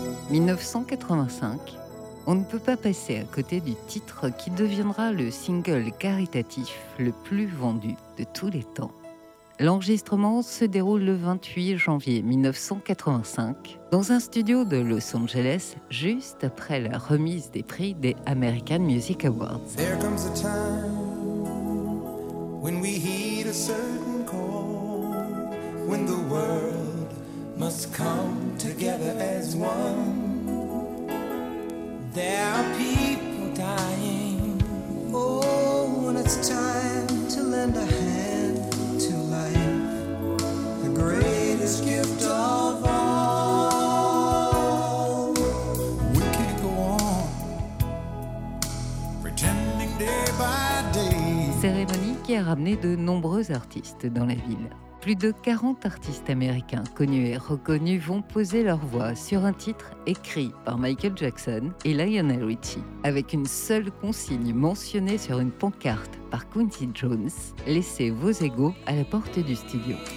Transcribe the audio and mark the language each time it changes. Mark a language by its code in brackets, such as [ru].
[fr] 1985, on ne peut pas passer à côté du titre qui deviendra le single caritatif le plus vendu de tous les temps. L'enregistrement se déroule le 28 janvier 1985 dans un studio de Los Angeles, juste après la remise des prix des American Music Awards. [en] There comes a time when we heed a certain call, when the world must come together as one. There are people dying. Oh, when it's time to lend a hand to life, the greatest gift of all. We can't go on pretending day by day. [fr] Cérémonie qui a ramené de nombreux artistes dans la ville. Plus de 40 artistes américains connus et reconnus vont poser leur voix sur un titre écrit par Michael Jackson et Lionel Richie. Avec une seule consigne mentionnée sur une pancarte par Quincy Jones, laissez vos égos à la porte du studio.